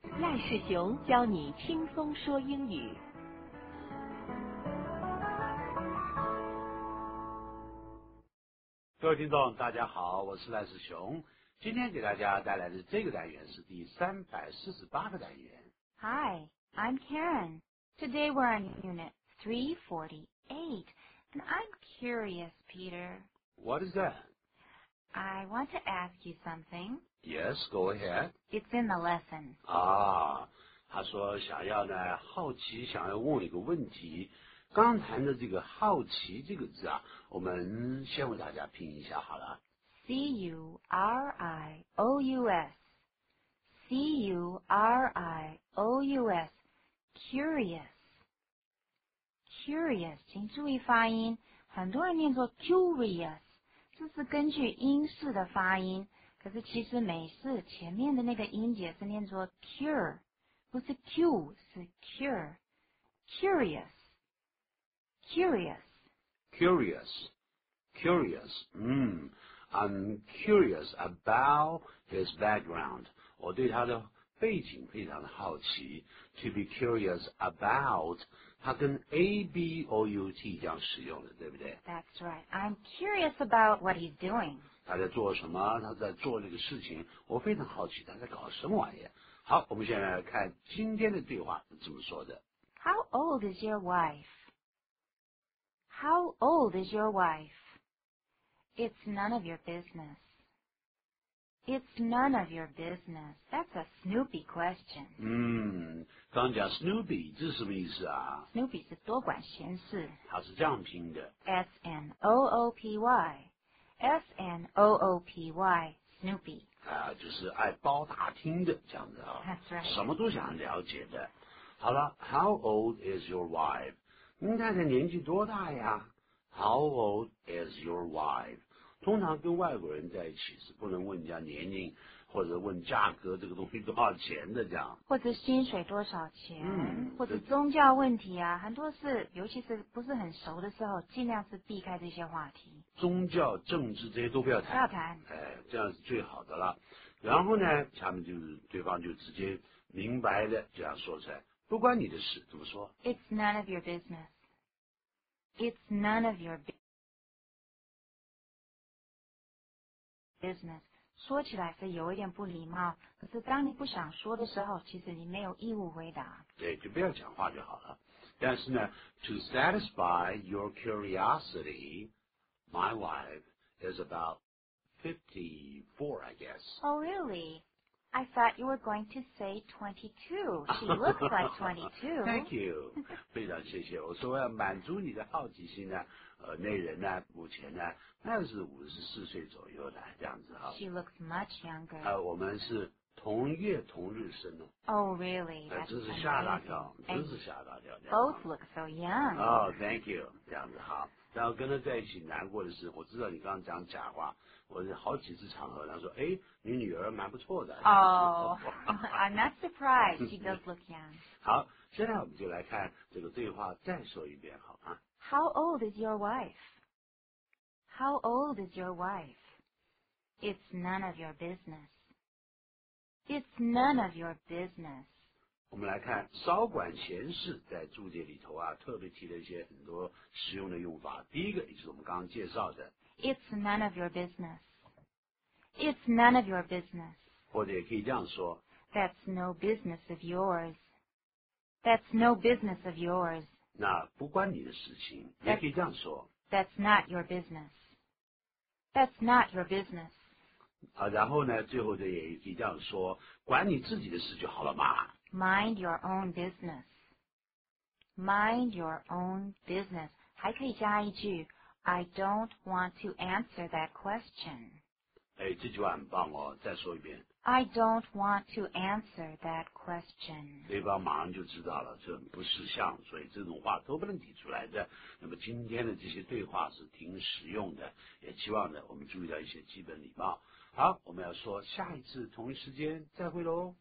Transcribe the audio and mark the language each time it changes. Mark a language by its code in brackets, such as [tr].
[zh] 赖世雄教你轻松说英语。各位听众大家好，我是赖世雄，今天给大家带来的这个单元是第348个单元。 [en] Hi, I'm Karen. Today we're on unit 348 and I'm curious, Peter. What is that? I want to ask you something. Yes, go ahead. It's in the lesson. [zh] 啊，他说想要呢，好奇想要问一个问题。刚才的这个好奇这个字啊，我们先为大家拼一下好了。 C-U-R-I-O-U-S C-U-R-I-O-U-S Curious Curious 请注意发音，很多人念作 curious， 这是根据英式的发音，可是其实美式前面的那个音节是念作 cure， 不是 q， 是 cure。 [en] Curious Curious Curious Curious I'm curious about his background. [zh] 我对他的背景非常的好奇。 [en] To be curious about, [zh] 他跟 A-B-O-U-T 这样使用的，对不对？ [en] That's right. I'm curious about what he's doing. [zh] 他在做什么？他在做这个事情，我非常好奇他在搞什么玩意。好，我们现在来看今天的对话是怎么说的。 [en] How old is your wife? How old is your wife? It's none of your business. It's none of your business. That's a Snoopy question. [zh] 刚讲 Snoopy, 这是什么意思啊？ Snoopy 是多管闲事。它是这样拼的。 [en] S-N-O-O-P-Y. S-N-O-O-P-Y. Snoopy. [zh] 就是爱包大听的这样子啊。 [en] That's right. [zh] 什么都想了解的。好了， [en] How old is your wife? [zh] 您太太年纪多大呀？ [en] How old is your wife? [zh] 通常跟外国人在一起是不能问人家年龄或者问价格这个东西多少钱的这样。或者薪水多少钱或者宗教问题啊，很多事尤其是不是很熟的时候尽量是避开这些话题。宗教政治这些都不要谈。不要谈。这样是最好的了。然后呢下面就是对方就直接明白的这样说出来。不关你的事怎么说 [en] ?It's none of your business. It's none of your business. [zh] 说起来是有一点不礼貌，可是当你不想说的时候，其实你没有义务回答。对，就不要讲话就好了。但是呢 [en] ，to satisfy your curiosity, my wife is about 54, I guess. Oh, really? I thought you were going to say 22. She looks like 22. Thank you. [zh] 非常谢谢。我说要满足你的好奇心呢，那人呢，目前呢，那是54岁左右的这样子啊。 [en] She looks much younger. [zh] 我们是同月同日生的。 [en] Oh, really? [zh] 真是吓大跳，真是吓大跳。 [en] Both look so young. Oh, thank you. [zh] 这样子好。然后跟他在一起难过的是，我知道你刚刚讲假话，我好几次场合他说，哎，你女儿蛮不错的。 [en] Oh, I'm not surprised. She does look young. [zh] 好，现在我们就来看这个对话再说一遍，好吗 [en] ？How old is your wife? How old is your wife? It's none of your business. It's none of your business. [zh] 我们来看少管闲事在注解里头啊特别提了一些很多实用的用法。第一个也是我们刚刚介绍的。 [en] It's none of your business. It's none of your business. [zh] 或者也可以这样说。 [en] That's no business of yours. That's no business of yours. [zh] 那不关你的事情也可以这样说。 [en] That's not your business. That's not your business. [zh] 然后呢最后的也可以这样说管你自己的事就好了嘛。 [en] Mind your own business. Mind your own business. [zh] 还可以加一句 [en] I don't want to answer that question. [zh] 这句话很棒哦，再说一遍。 [en] I don't want to answer that question. [zh] 对方马上就知道了，这不识相，所以这种话都不能提出来的。那么今天的这些对话是挺实用的，也期望着我们注意到一些基本礼貌。好，我们要说下一次同一时间再会咯。